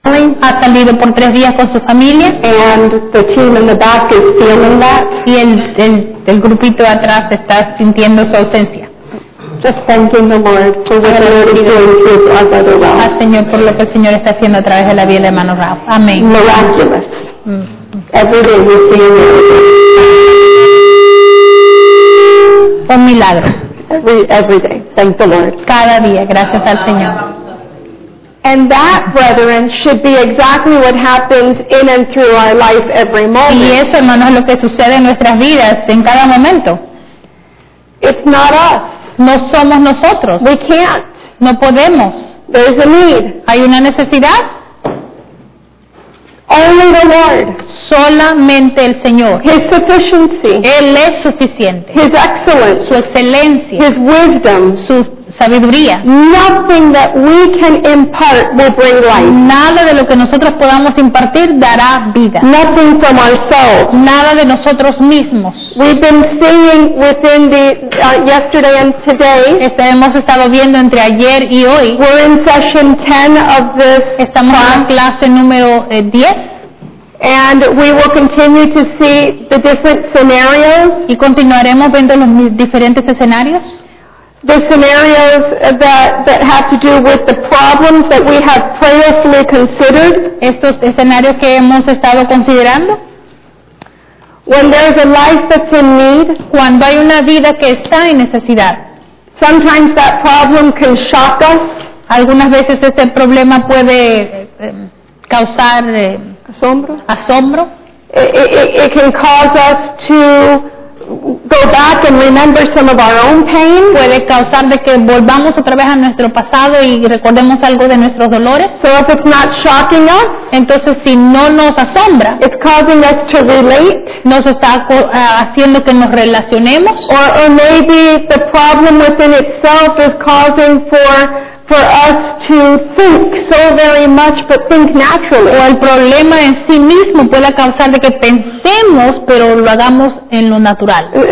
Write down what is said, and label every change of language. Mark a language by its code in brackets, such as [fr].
[es] hasta vive por tres días con su familia. [en] And the team in the back is feeling that. [es] Y el grupito de atrás está sintiendo su ausencia. [en] Just thanking the Lord for what the Lord is doing through our brother Ralph. [es] Al Señor por lo que el Señor está haciendo a través de la vida de hermano Ralph. Amén. [en] Miraculous. Every day we see a miracle. [es] Un milagro. [en] Every day. Thank the Lord. [es] Cada día, gracias al Señor. [en] And that, brethren, should be exactly what happens in and through our life every moment. [es] Y eso, hermanos, es lo que sucede en nuestras vidas en cada momento. [en] It's not us. [es] No somos nosotros. [en] We can't. [es] No podemos. [en] There's a need. [es] Hay una necesidad. [en] Only the Lord. [es] Solamente el Señor. [en] His sufficiency. [es] Él es suficiente. [en] His excellence. [es] Su excelencia. [en] His wisdom. [es] Su sabiduría. [en] Nothing that we can impart will bring life. [es] Nada de lo que nosotros podamos impartir dará vida. [en] Nothing from ourselves. [es] Nada de nosotros mismos. [en] We've been seeing within the yesterday and today. [es] Hemos estado viendo entre ayer y hoy. [en] We're in session 10 of this. [es] Estamos [en] class. [es] En clase número 10. [en] And we will continue to see the different scenarios. [es] Y continuaremos viendo los diferentes escenarios. [en] The scenarios that have to do with the problems that we have prayerfully considered. [es] Estos escenarios que hemos estado considerando. [en] When there is a life that's in need. [es] Cuando hay una vida que está en necesidad. [en] Sometimes that problem can shock us. [es] Algunas veces ese problema puede causar asombro. [en] It can cause us to go back and remember some of our own pain. [es] Puede causar de que volvamos otra vez a nuestro pasado y recordemos algo de nuestros dolores. [en] So if it's not shocking us, [es] entonces si no nos asombra, [en] it's causing us to relate. [es] Nos está haciendo que nos relacionemos. [en] Or maybe the problem within itself is causing for us to think so very much, but think naturally. [es] O el problema en sí mismo puede causar de que pensemos, pero lo hagamos en lo natural.